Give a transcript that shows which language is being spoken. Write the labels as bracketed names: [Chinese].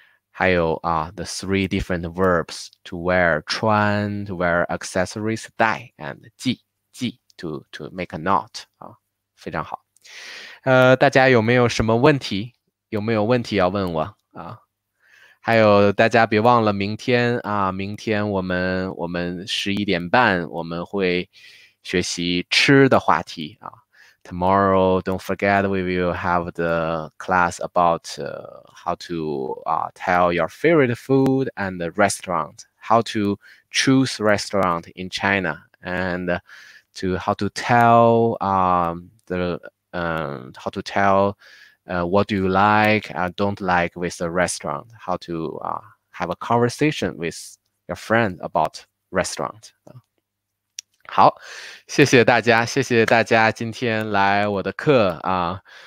[English] 还有啊 ，the three different verbs to wear, 穿 to wear accessories, 戴 and 系 to make a knot 啊，非常好。 [Chinese] 大家有没有什么问题？有没有问题要问我啊？还有大家别忘了明天啊，明天我们11:30我们会学习吃的话题啊。 [English] Tomorrow, don't forget, we will have the class about how to tell your favorite food and the restaurant, how to choose restaurant in China, and to how to tell what do you like and don't like with the restaurant, how to have a conversation with your friend about restaurant. [Chinese] 好，谢谢大家今天来我的课啊！